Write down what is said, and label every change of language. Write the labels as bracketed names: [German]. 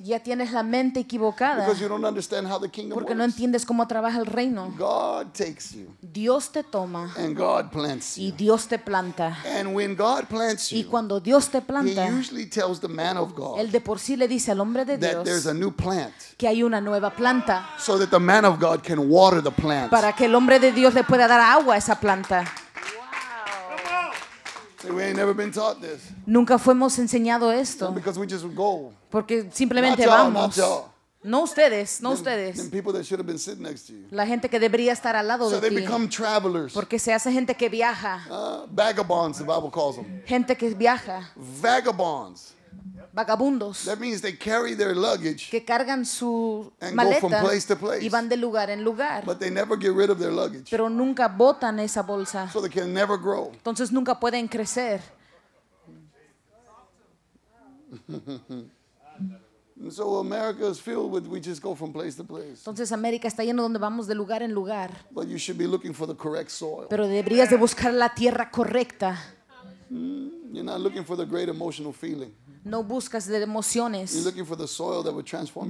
[Spanish] Ya tienes la mente equivocada. [English] Because you don't understand how the kingdom [Spanish] porque [English] works. [Spanish] No entiendes cómo trabaja el reino. [English] God takes you. [Spanish] Dios te toma. [English] And God plants you. [Spanish] Y Dios te planta. [English] And when God plants you. [Spanish] Y cuando Dios te planta. [English] He usually tells the man of God. [Spanish] Él de por sí le dice al hombre de Dios. [English] That there's a new plant. [Spanish] Que hay una nueva planta. [English] So that the man of God can water the plant. [Spanish] Para que el hombre de Dios le pueda dar agua a esa planta. [English] See, we ain't never been taught this. [Spanish] Nunca fuimos enseñado esto. [English] No, because we just go. [Spanish] Porque simplemente vamos. [English] Not y'all. [Spanish] No ustedes, no ustedes. [English] Then people that should have been sitting next to you. [Spanish] La gente que debería estar al lado [English] so [Spanish] de ti. [English] So they become travelers. [Spanish] Porque se hace gente que viaja. [English] Vagabonds, the Bible calls them. [Spanish] Gente que viaja. [English] Vagabonds. [Spanish] Vagabundos. [English] That means they carry their luggage. [Spanish] Que cargan su [English] and [Spanish] maleta. [English] And go from place to place. [Spanish] Y van de lugar en lugar. [English] But they never get rid of their luggage. [Spanish] Pero nunca botan esa bolsa. [English] So they can never grow. [Spanish] Entonces nunca pueden crecer. [English] So America is filled with we just go from place to place. [Spanish] Entonces América está lleno donde vamos de lugar en lugar. [English] But you should be looking for the correct soil. [Spanish] Pero deberías de buscar la tierra correcta. [English] You're not looking for the great emotional feeling. [Spanish] No buscas de emociones. [English] You're looking for the soil that will transform